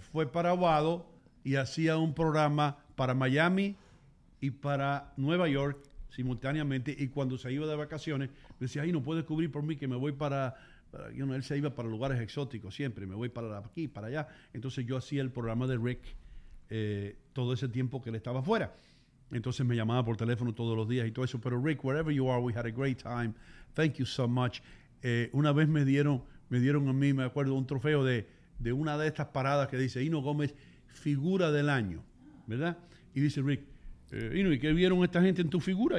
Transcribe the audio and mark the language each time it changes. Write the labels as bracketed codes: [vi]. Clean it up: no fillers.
[es] Fue para Aguado y hacía un programa para Miami y para Nueva York simultáneamente. Y cuando se iba de vacaciones, me decía, ay, no puedes cubrir por mí que me voy para... él se iba para lugares exóticos siempre, me voy para aquí, para allá. Entonces yo hacía el programa de Rick todo ese tiempo que él estaba fuera. Entonces me llamaba por teléfono todos los días y todo eso. [en] Pero Rick, wherever you are, we had a great time. Thank you so much. [es] Una vez me dieron a mí, me acuerdo, un trofeo de una de estas paradas que dice Hino Gómez, figura del año, ¿verdad? Y dice Rick, Hino, ¿y qué vieron esta gente en tu figura?